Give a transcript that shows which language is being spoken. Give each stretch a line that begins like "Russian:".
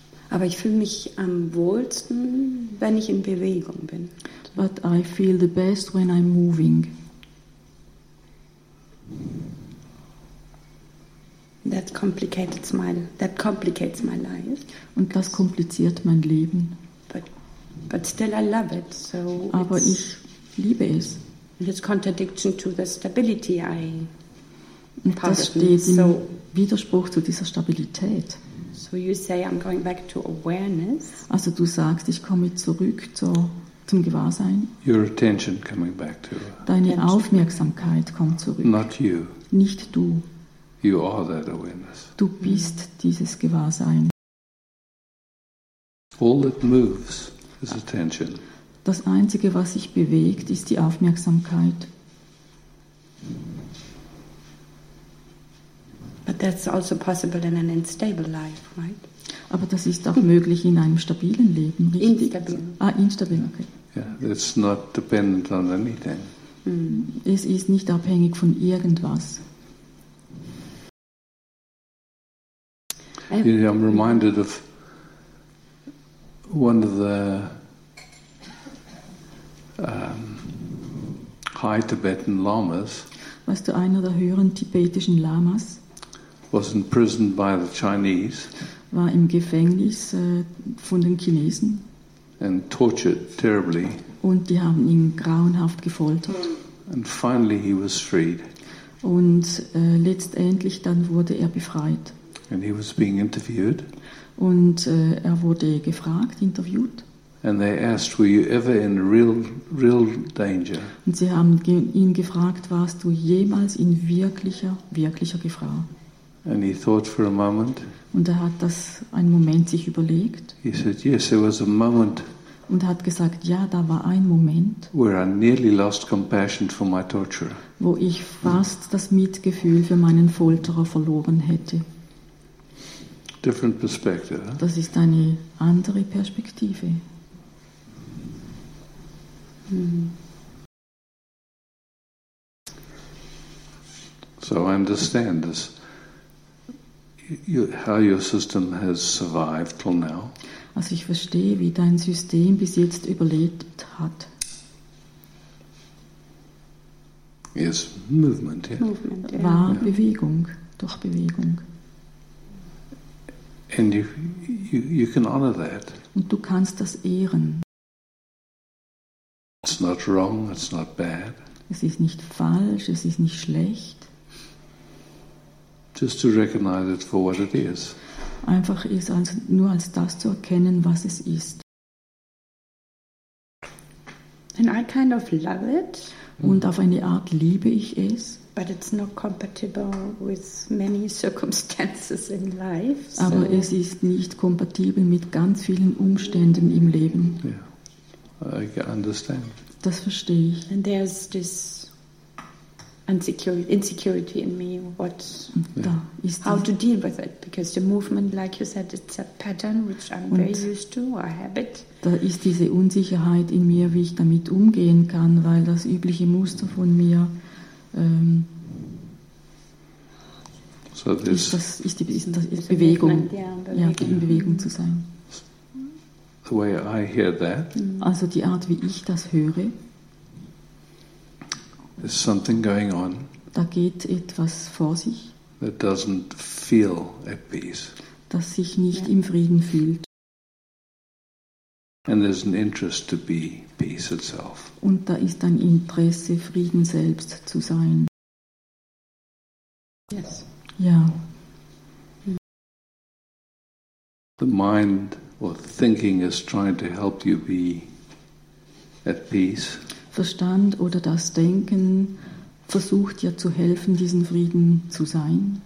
German: Aber ich fühle mich am wohlsten, wenn ich in Bewegung bin.
English: But I feel the best when I'm moving. That complicates my life.
German: Und das kompliziert mein Leben.
English: But still I love it. So
German: aber ich liebe es.
English: It's contradiction to the stability I.
German: Und das steht im Widerspruch zu dieser Stabilität.
English: So you say I'm going back to awareness.
German: Also du sagst, ich komme zurück zum Gewahrsein.
English: Your attention coming back to.
German: Deine Aufmerksamkeit kommt zurück.
English: Not you.
German: Nicht du.
English: You are that awareness.
German: Du bist dieses Gewahrsein.
English: All that moves is attention.
German: Das Einzige, was sich bewegt, ist die Aufmerksamkeit.
English: But that's also possible in an unstable life, right?
German: Aber das ist auch möglich in einem stabilen Leben, richtig? Instabil, okay.
English: Yeah, it's not dependent on anything.
German: Es ist nicht abhängig von irgendwas.
English: I'm reminded of one of the high Tibetan lamas.
German: Weißt du, einer der höheren tibetischen Lamas?
English: Was imprisoned by the Chinese.
German: War im Gefängnis von den Chinesen.
English: And tortured terribly.
German: Und die haben ihn grauenhaft gefoltert.
English: And finally he was freed.
German: Und letztendlich dann wurde er befreit.
English: And he was being interviewed.
German: Und er wurde gefragt, interviewt.
English: And they asked, were you ever in real danger?
German: Und sie haben ihn gefragt, warst du jemals in wirklicher Gefahr?
English: And he thought for a moment.
German: Und er hat das einen Moment sich überlegt.
English: He said, yes, there was a moment.
German: Und er hat gesagt, ja, da war ein Moment.
English: Where I nearly lost compassion for my torturer.
German: Wo ich fast das Mitgefühl für meinen Folterer verloren hätte.
English: Different perspective.
German: Das ist eine andere Perspektive.
English: So I understand this. how your system has survived till now.
German: Also ich verstehe, wie dein System bis jetzt überlebt hat.
English: Yes, movement, yeah.
German: War yeah. Bewegung, durch Bewegung.
English: And you can honor that.
German: Und du kannst das ehren.
English: It's not wrong, it's not bad.
German: Es ist nicht falsch, es ist nicht schlecht.
English: Just to recognize it for what it is.
German: Einfach ist als, nur als das zu erkennen, was es ist.
English: And I kind of love it.
German: Und auf eine Art liebe ich es.
English: But it's not compatible with many circumstances in life. So.
German: Aber es ist nicht kompatibel mit ganz vielen Umständen im Leben.
English: Yeah. I understand.
German: Das verstehe ich.
English: And there's this insecurity in me. What? Yeah. How to deal with it? Because the movement, like you said, it's a pattern which I'm very used to, a habit.
German: Da ist diese Unsicherheit in mir, wie ich damit umgehen kann, weil das übliche Muster von mir ist Bewegung, in Bewegung zu sein.
English: The way I hear that.
German: Also die Art, wie ich das höre.
English: There's something going on.
German: Da geht etwas vor sich.
English: That doesn't feel at peace.
German: Das sich nicht im Frieden fühlt.
English: And there's an interest to be peace itself.
German: Und da ist ein Interesse, Frieden selbst zu sein.
English: Yes.
German: Ja.
English: The mind or thinking is trying to help you be at peace.
German: Verstand oder das Denken versucht dir zu helfen, diesen Frieden zu sein.